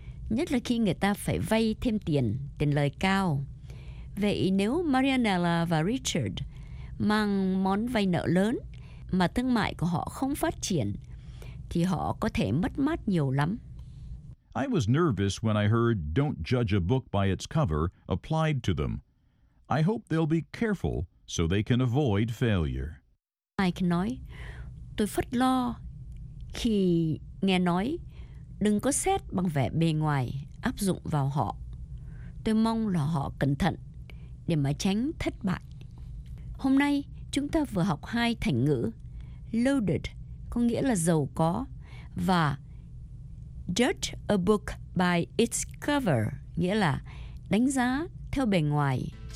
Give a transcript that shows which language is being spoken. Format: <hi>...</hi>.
<vi>Nhất là khi người ta phải vay thêm tiền, tiền lời cao. Vậy nếu Marianella và Richard mang món vay nợ lớn mà thương mại của họ không phát triển, thì họ có thể mất mát nhiều lắm.</vi> <en>I was nervous when I heard don't judge a book by its cover applied to them. I hope they'll be careful so they can avoid failure.</en> <vi>Mike nói, tôi phất lo khi nghe nói đừng có xét bằng vẻ bề ngoài áp dụng vào họ. Tôi mong là họ cẩn thận để mà tránh thất bại. Hôm nay chúng ta vừa học hai thành ngữ loaded có nghĩa là giàu có và</vi> <en>judge a book by its cover</en> <vi>nghĩa là đánh giá theo bề ngoài.</vi>